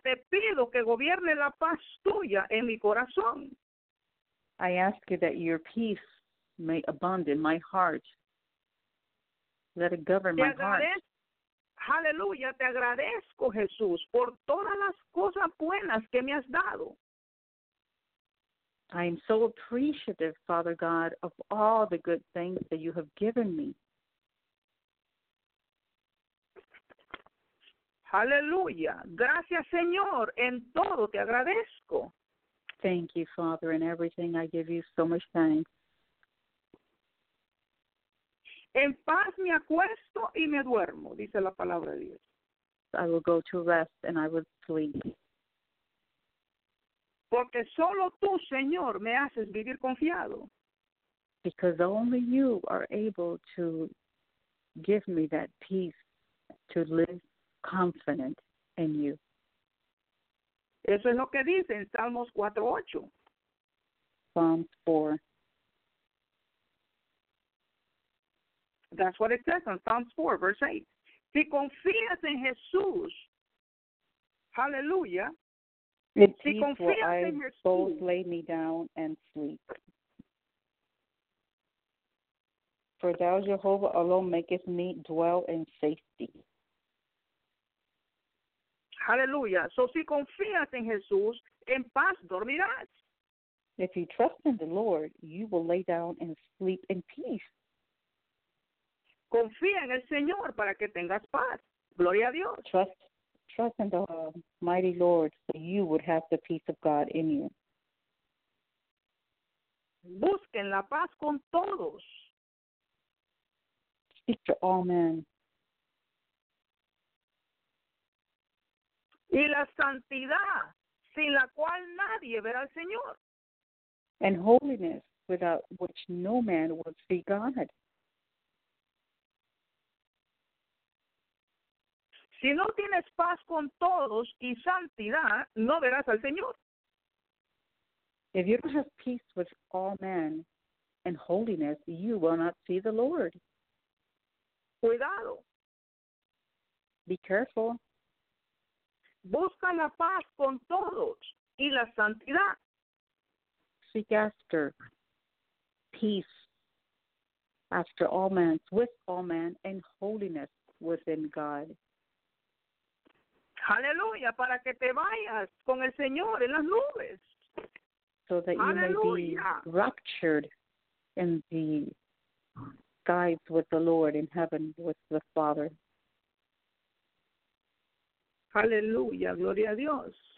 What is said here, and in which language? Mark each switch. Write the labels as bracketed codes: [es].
[es] Te pido que gobierne la paz tuya en mi corazón. [en] I ask you that your peace may abound in my heart. Let it govern my heart. [es] Hallelujah, te agradezco, Jesús, por todas las cosas buenas que me has dado. [en] I am so appreciative, Father God, of all the good things that you have given me. Hallelujah. [es] Gracias, Señor, en todo te agradezco. [en] Thank you, Father, in everything I give you so much thanks. [es] En paz me acuesto y me duermo, dice la palabra de Dios. [en] I will go to rest and I will sleep. [es] Porque solo tú, Señor, me haces vivir confiado. [en] Because only you are able to give me that peace to live confident in you. [es] Eso es lo que dice en Salmos 4:8. [en] Psalms 4. That's what it says in Psalms 4, verse 8. [es] Si confías en Jesús, hallelujah. [en] It's [es] si confías [en] for [es] en [en] I [es] Jesús, [en] both lay me down and sleep. For thou, Jehovah, alone maketh me dwell in safety. Hallelujah. [es] So si confías en Jesús, en paz dormirás. [en] If you trust in the Lord, you will lay down and sleep in peace. [es] Confía en el Señor para que tengas paz. Gloria a Dios. [en] Trust in the mighty Lord so you would have the peace of God in you. [es] Busquen la paz con todos. [en] Speak to all men. [es] Y la santidad sin la cual nadie verá al Señor. [en] And holiness without which no man will see God. [es] Si no tienes paz con todos y santidad, no verás al Señor. [en] If you don't have peace with all men and holiness, you will not see the Lord. [es] Cuidado. [en] Be careful. [es] Busca la paz con todos y la santidad. [en] Seek after peace after all men, with all men, and holiness within God. [es] Hallelujah, para que te vayas con el Señor en las nubes. [en] So that you Hallelujah. May be raptured in the skies with the Lord in heaven with the Father. [es] Hallelujah, gloria a Dios.